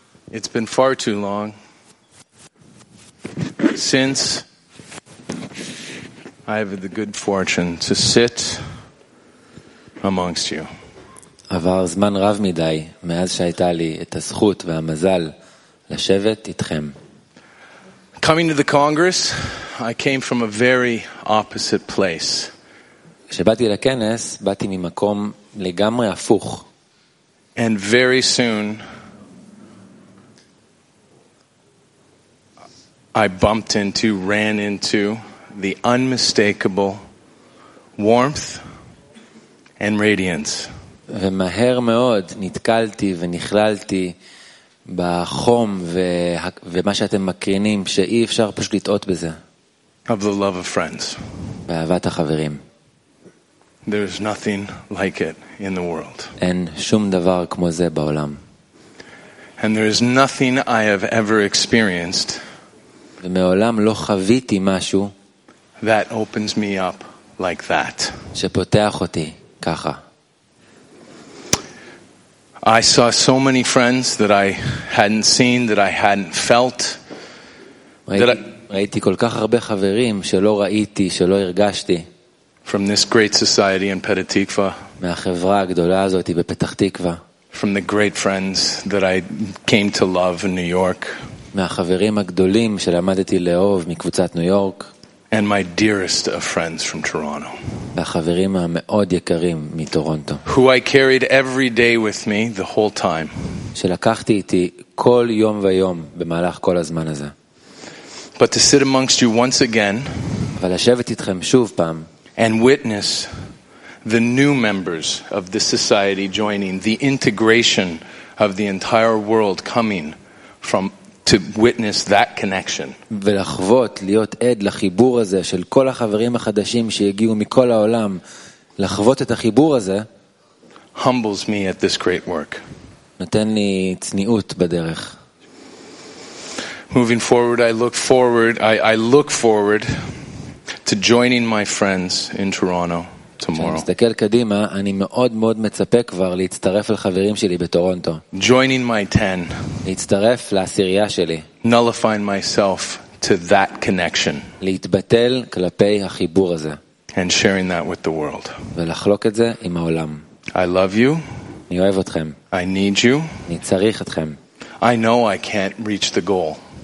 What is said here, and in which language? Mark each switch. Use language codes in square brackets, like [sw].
[en] It's been far too long since I have the good fortune to sit amongst you. [he] עבר זמן רב מדי מאז שהייתה לי את הזכות והמזל לשבת איתכם. [en] Coming to the Congress, I came from a very opposite place. [he] כשבאתי לכנס, באתי ממקום לגמרי הפוך. [en] And very soon I bumped into, ran into the unmistakable warmth and radiance. [he] ומהר מאוד נתקלתי ונכללתי בחום ומה שאתם מקרינים שאי אפשר פשוט לטעות בזה. [en] Of the love of friends. [he] באהבת החברים. [en] There is nothing like it in the world. [he] אין שום דבר כמו זה בעולם. [en] And there is nothing I have ever experienced. [he] ומעולם לא חוויתי משהו [en] that opens me up like that. [he] שפותח אותי ככה. [en] I saw so many friends that I hadn't seen, that I hadn't felt. [he] ראיתי ראיתי כל כך הרבה חברים שלא ראיתי, שלא הרגשתי. [en] From this great society in Petah Tikva. [he] מהחברה הגדולה הזאת בפתח תקווה. [en] From the great friends that I came to love in New York. [he] מהחברים הגדולים שלמדתי לאהוב מקבוצת ניו יורק. [en] And my dearest of friends from Toronto. [he] והחברים המאוד יקרים מטורונטו. [en] Who I carried every day with me the whole time. [he] שלקחתי איתי כל יום ויום במהלך כל הזמן הזה. [en] But to sit amongst you once again. [he] ולשבת איתכם שוב פעם. [en] And witness the new members of this society joining, the integration of the entire world coming from to witness that connection. [he] ולחוות להיות עד לחיבור הזה של כל החברים החדשים שהגיעו מכל העולם, לחוות את החיבור הזה, [en] humbles me at this great work. [he] נותן לי צניעות בדרך. [en] Moving forward, I look forward to joining my friends in Toronto tomorrow. [he] מסתכל קדימה, אני מאוד מאוד מצפה כבר להצטרף לחברים שלי בטורונטו. [en] Joining my 10. [he] להצטרף לעשירייה שלי. [en] Nullifying myself to that connection. [he] להתבטל כלפי החיבור הזה. [en] And sharing that with the world. [he] ולחלוק את זה עם העולם. [en] I love you. [he] אני אוהב אתכם. [en] I need you. [he] אני צריך אתכם. [en] I know I can't reach the goal.